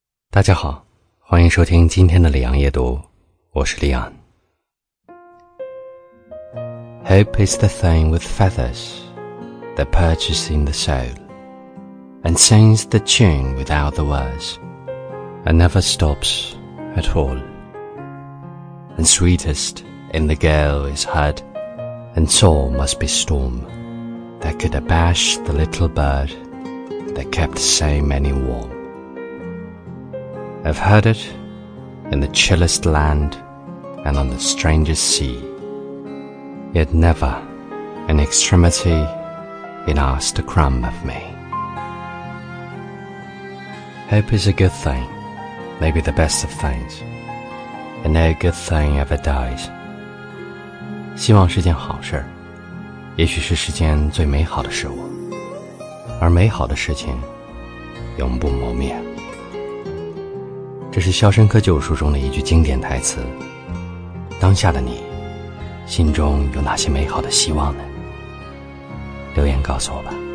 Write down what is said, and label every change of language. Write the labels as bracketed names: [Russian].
[Chinese] 大家好，欢迎收听今天的李昂夜读，我是李昂。 [English] Hope is the thing with feathers that perches in the soul and sings the tune without the words and never stops at all. And sweetest in the gale is heard and sore must be storm that could abash the little bird that kept so many warmI've heard it in the chillest land and on the strangest sea, yet never an extremity it asked a crumb of me. Hope is a good thing, maybe the best of things, and no good thing ever dies. [Chinese] 希望是件好事，也许是世间最美好的事物，而美好的事情永不磨灭。这是《肖申克救赎》中的一句经典台词。当下的你，心中有哪些美好的希望呢？留言告诉我吧。